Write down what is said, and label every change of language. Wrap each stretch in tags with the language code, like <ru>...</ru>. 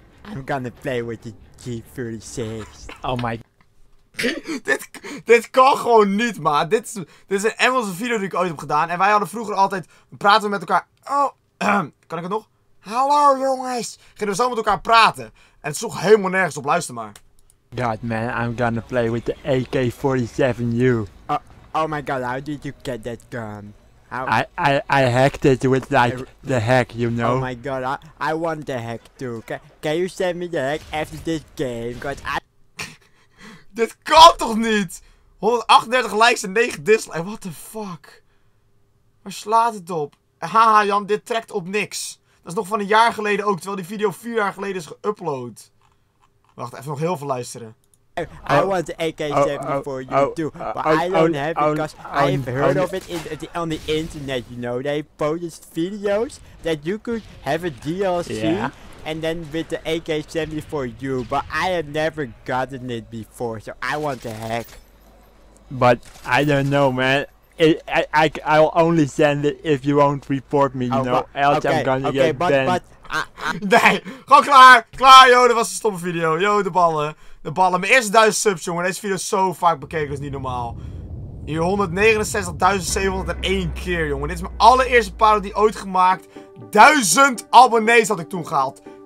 <en>I'm gonna play with the G36. Oh my.</en> <nl>Dit kan gewoon niet, maat. Dit is een Engelse video die ik ooit heb gedaan. En wij hadden vroeger altijd, we praten met elkaar. Oh, kan ik het nog? Hallo jongens. Gingen we zo met elkaar praten. En het sloeg helemaal nergens op, luister maar.</nl> <en>God man, I'm gonna play with the AK-47U. Oh my god, how did you get that gun? How? I hacked it with like the hack, you know? Oh my god, I want the hack too. Can you send me the hack after this game? Cause I...</en> <nl>Dit kan toch niet? 138 likes en 9 dislikes.</nl> <en>What the fuck?</en> <nl>Waar slaat het op? Haha Jan, dit trekt op niks. Dat is nog van een jaar geleden ook, terwijl die video 4 jaar geleden is geüpload. Wacht, even nog heel veel luisteren.</nl> <en>I want the AK-74U too, but I don't have it because I have heard of it on the internet, you know. They posted videos that you could have a DLC and then with the AK-74U, but I have never gotten it before, so I want the hack. But I don't know, man. I'll only send it if you won't report me, you know. Else I'm gonna get banned.</en> <nl>Nee, gewoon klaar. Klaar, joh, dat was een stomme video. Yo, de ballen. Mijn eerste 1000 subs, jongen. Deze video is zo vaak bekeken, dat is niet normaal. Hier 169.701 keer, jongen. Dit is mijn allereerste parodie ooit gemaakt. 1000 abonnees had ik toen gehaald.</nl>